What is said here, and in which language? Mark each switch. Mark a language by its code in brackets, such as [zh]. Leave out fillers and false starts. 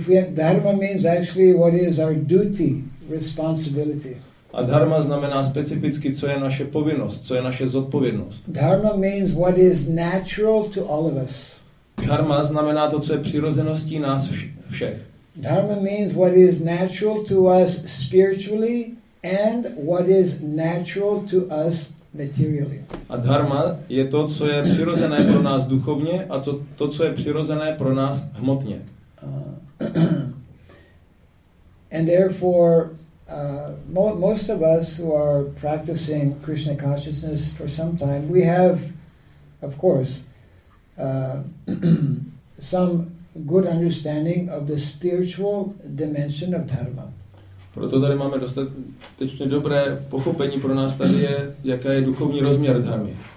[en] Dharma means actually what is our duty, responsibility. [cs] A dharma znamená specificky, co je naše povinnost, co je naše zodpovědnost. [en] Dharma means what is natural to all of us. [cs] Dharma znamená to, co je přirozeností nás všech. [en] Dharma means what is natural to us spiritually and what is natural to us materially. [cs] A dharma je to, co je přirozené pro nás duchovně a co, to, co je přirozené pro nás hmotně. [en] And therefore most of us who are practicing Krishna consciousness for some time, we have of course some good understanding of the spiritual dimension of dharma. [cs] Proto tady máme dostatečně dobré pochopení pro nás tady je, jaká je duchovní rozměr dharmy.